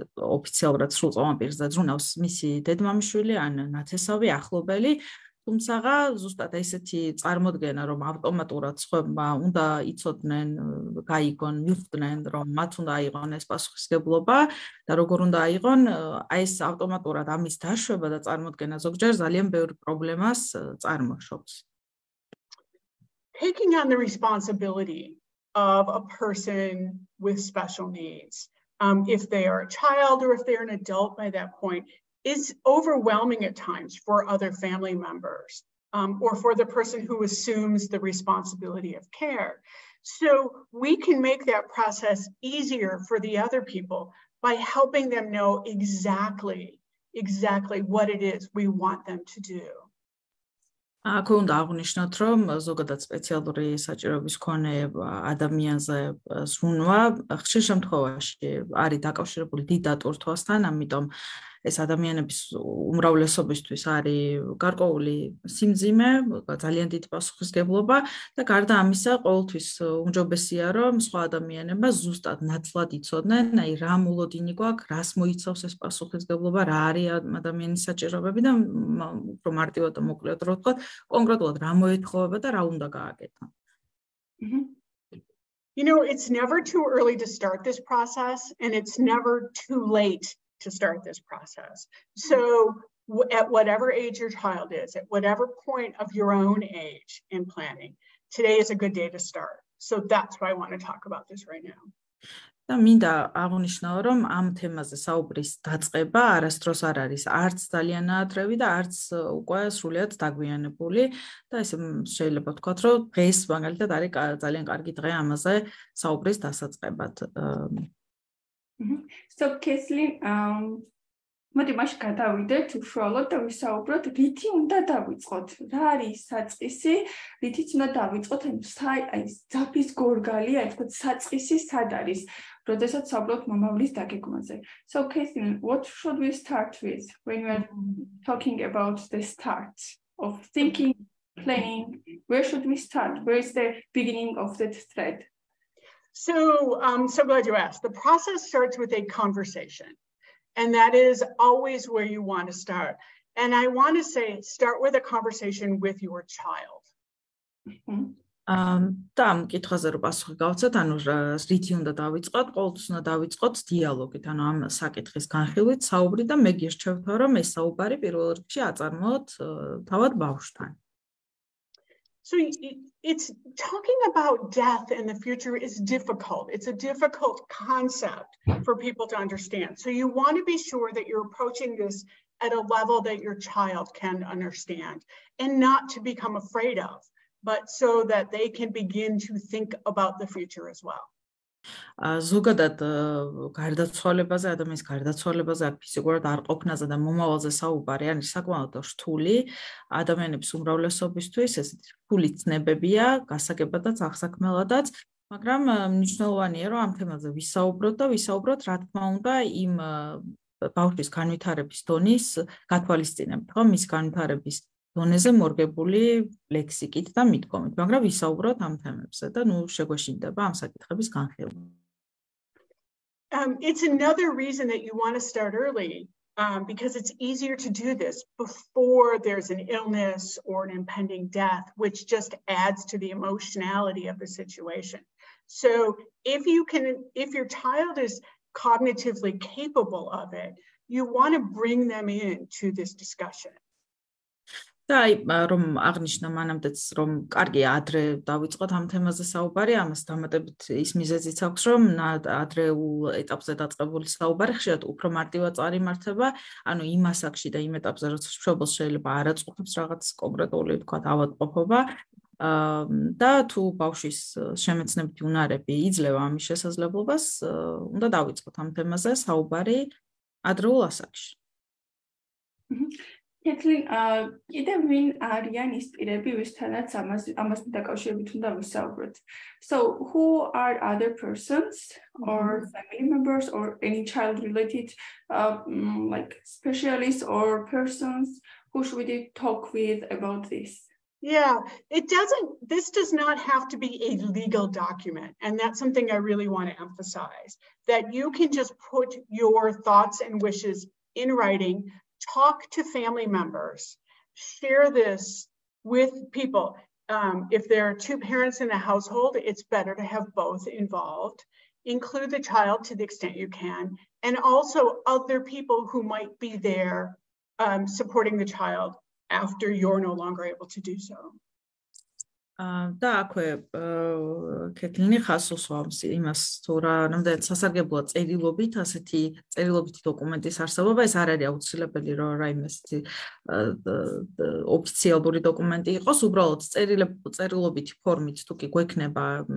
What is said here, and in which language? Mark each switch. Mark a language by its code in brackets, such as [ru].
[ka] ოფიციალურად სრულ წამ პირზე ზრუნავს მისი დედმამიშვილი ან ნათესავი ახლობელი, თუმცა ზუსტად ესეთი წარმოდგენა რომ ავტომატურად სხვა უნდა იცოდნენ, გაიგონ, მიხვდნენ რომ მათ უნდა აიღონ ეს პასუხისგებლობა და როგორ უნდა აიღონ, აი ეს ავტომატურად ამის დაშვება და წარმოდგენა ზოგჯერ ძალიან ბევრ პრობლემას წარმოშობს. [en] Taking on the responsibility of a person with special needs, if they are a child or if they're an adult by that point, is overwhelming at times for other family members or for the person who assumes the responsibility of care. So we can make that process easier for the other people by helping them know exactly what it is we want them to do. [ka] აქ უნდა აღვნიშნოთ, რომ ზოგადად სპეციალური საჭიროების მქონე ადამიანზე ზრუნვა ხშირ შემთხვევაში არის დაკავშირებული დიდ დატვირთვასთან, ამიტომ ეს ადამიანების უმრავლესობისთვის არის გარკვეული სიმძიმე, ძალიან დიდი პასუხისგებლობა და გარდა ამისა ყოველთვის უმჯობესია, რომ სხვა ადამიანებმა ზუსტად ნაცვლად იცოდნენ, აი რა მოლოდინი გვაქვს, რას მოიცავს ეს პასუხისგებლობა, რა არის ადამიანის საჭიროებები და უფრო მარტივად და მოკლედ რო ვთქვა, კონკრეტულად რა მოეთხოვება და რა უნდა გააკეთო. [en] You know, it's never too early to start this process and it's never too late to start this process. So at whatever age your child is, at whatever point of your own age in planning, today is a good day to start. So that's why I want to talk about this right now. [ka] და მინდა აღვნიშნო რომ ამ თემაზე საუბრის დაწყება არასდროს არ არის არც ძალიან ადრევი და არც უკვე სრულიად დაგვიანებული და ესე შეიძლება ვთქვათ რომ დღეს მაგალითად არის ძალიან კარგი დღე ამაზე საუბრის დასაწყებად. Mm-hmm. So, Kathleen, მოდი მაშინ გადავიდეთ უშუალოდ და ვისაუბროთ, რითი უნდა დავიწყოთ? რა არის საწყისი? რითიც უნდა დავიწყოთ? აი, ზაფის გორგალი, აი, თქო, საწყისი სად არის? როდესაც საუბრობთ მომავლის დაგეგმვაზე. [en] So, Kathleen, what should we start with when we're talking about the start of thinking, planning? Where should we start? Where is the beginning of that thread? So glad you asked. The process starts with a conversation, and that is always where you want to start. And I want to say, start with a conversation with your child. [ka] Там კითხვაზე რომ პასუხი გავცეთ, ანუ რითი უნდა დავიწყოთ, ყოველთვის უნდა დავიწყოთ დიალოგით, ანუ ამ საკითხის განხილვით საუბრი და მე გირჩევთ, რომ ეს საუბარი პირველ რიგში აწარმოოთ თავად ბავშვთან. [en] So it's talking about death in the future is difficult. It's a difficult concept for people to understand. So you want to be sure that you're approaching this at a level that your child can understand and not to become afraid of, but so that they can begin to think about the future as well. [ka] ზოგადად გარდაცვალებაზე, ადამიანის გარდაცვალებაზე, ფიზიკურად არ ყოფნაზე და მომავალზე საუბარი არის საკმაოდ რთული. ადამიანების უმრავლესობისთვის ეს რთული ცნებებია, გასაგებადაც, აღსაკმელადაც, მაგრამ მნიშვნელოვანია, რომ ამ თემაზე ვისაუბროთ და ვისაუბროთ, რა თქმა უნდა, იმ ბავშვის განვითარების დონის გათვალისწინებით, ხო, მის განვითარების დონეზე მორგებული ლექსიკით და მიდგომით, მაგრამ ვისაუბროთ ამ თემებზე და ნუ შეგვეშინდება ამ საკითხების განხილვა. [en] It's another reason that you want to start early, because it's easier to do this before there's an illness or an impending death, which just adds to the emotionality of the situation. So if your child is cognitively capable of it, you want to bring them in to this discussion. [ka] და აი რომ აღნიშნა მანამდეც რომ კარგი ადრე დავიწყოთ ამ თემაზე საუბარი, ამას დამატებით ის მიზეზიც აქვს რომ ადრეულ ეტაპზე დაწყებული საუბარი ხშირად უფრო მარტივად წარიმართება, ანუ იმ ასაკში და იმ ეტაპზე როცა შვილს შეიძლება არაწუხებს რაღაც კონკრეტული თქვა ავადმყოფობა და თუ ბავშვის შემეცნებითი უნარები იძლევა ამის შესაძლებლობას, უნდა დავიწყოთ ამ თემაზე საუბარი ადრეულ ასაკში. Кетлин, კიდე ვინ არიან ის პირები, ვისთანაც ამასთან დაკავშირებით უნდა ვისაუბროთ? [en] So, who are other persons or family members or any child related like specialists or persons who should we talk with about this? Yeah, this does not have to be a legal document, and that's something I really want to emphasize, that you can just put your thoughts and wishes in writing. Talk to family members, share this with people. If there are two parents in the household, it's better to have both involved. Include the child to the extent you can, and also other people who might be there supporting the child after you're no longer able to do so. [ka] Და აქვე კეთილინი ხას უსვამს იმას, თუ რა ნამდვილად სასარგებლოა წერილობით, ასეთი წერილობითი დოკუმენტის არსებობა, ეს არ არის აუცილებელი, რომ რაიმე ასეთი ოფიციალური დოკუმენტი იყოს, უბრალოდ წერილობითი ფორმით თუ კი გვექნება